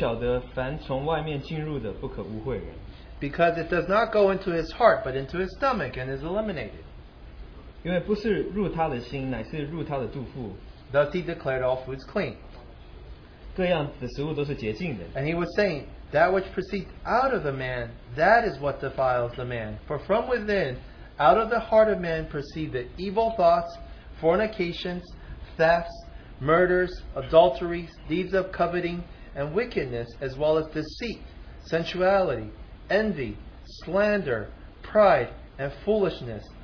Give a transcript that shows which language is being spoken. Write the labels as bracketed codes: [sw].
[zh] 耶稣对他们说你们也是这样不明白吗岂不晓得凡从外面进入的不可污秽人 [en] Because it does not go into his heart but into his stomach and is eliminated [zh] 因为不是入他的心乃是入他的肚腹 [en] Thus he declared all foods clean [zh] 各样的食物都是洁净的 [en] And he was saying that which proceeds out of the man that is what defiles the man for from within out of the heart of man proceed the evil thoughts, fornications, thefts, murders, adulteries, deeds of coveting, and wickedness, as well as deceit, sensuality, envy, slander, pride, and foolishness.